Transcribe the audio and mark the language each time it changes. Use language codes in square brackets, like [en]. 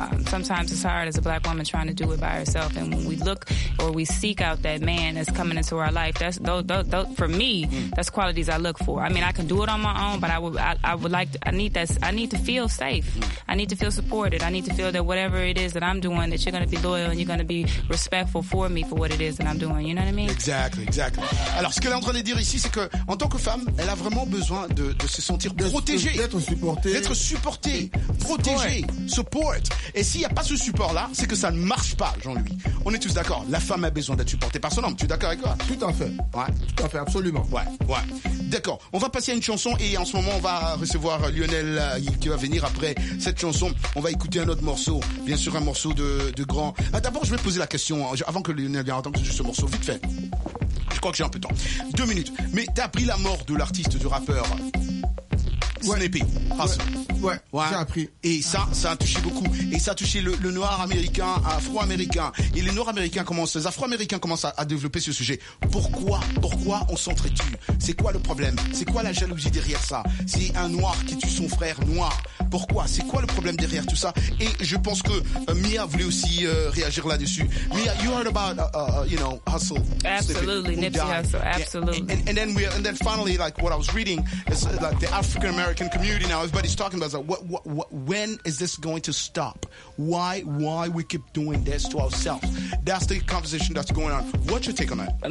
[en] Sometimes it's hard as a black woman trying to do it by herself. And when we look or we seek out that man that's coming into our life, that's for me, that's qualities I look for. I mean, I can do it on my own, but I need to feel safe. I need to feel supported. I need to feel that whatever it is that I'm doing, that you're going to be loyal and you're going to be respectful for me for what it is that I'm doing. You know what I mean? Exactly, exactly. [fr] Alors, ce qu'elle est en train de dire ici, c'est que, en tant que femme, elle a vraiment besoin de se sentir protégée. D'être supportée. Protégée. Support. Et s'il n'y a pas ce support-là, c'est que ça ne marche pas, Jean-Louis. On est tous d'accord. La femme a besoin d'être supportée par son homme. Tu es d'accord avec toi? Tout à fait. Ouais. Tout à fait, absolument. Ouais. Ouais. D'accord. On va passer à une chanson et en ce moment, on va recevoir Lionel qui va venir après cette chanson. On va écouter un autre morceau. Bien sûr, un morceau de grand. D'abord, je vais poser la question avant que Lionel vienne entendre juste ce morceau. Vite fait. Je crois que j'ai un peu de temps. 2 minutes. Mais t'as appris la mort de l'artiste, du rappeur. ouais. Snippy. Ouais. Ouais. Ouais. J'ai appris. Et ça, ça a touché beaucoup. Et ça a touché le noir américain, afro-américain. Et les noirs américains commencent, les afro-américains commencent à développer ce sujet. Pourquoi? Pourquoi on s'entretue? C'est quoi le problème? C'est quoi la jalousie derrière ça? C'est un noir qui tue son frère noir. Pourquoi? C'est quoi le problème derrière tout ça? Et je pense que Mia voulait aussi réagir là-dessus. [en] Mia, you heard about, you know, hustle. Absolutely, Nipsey Hussle, absolutely. And then finally, like what I was reading, is like the African American community now, everybody's talking about, like, what, when is this going to stop? Why we keep doing this to ourselves? That's the conversation that's going on. What's your take on that?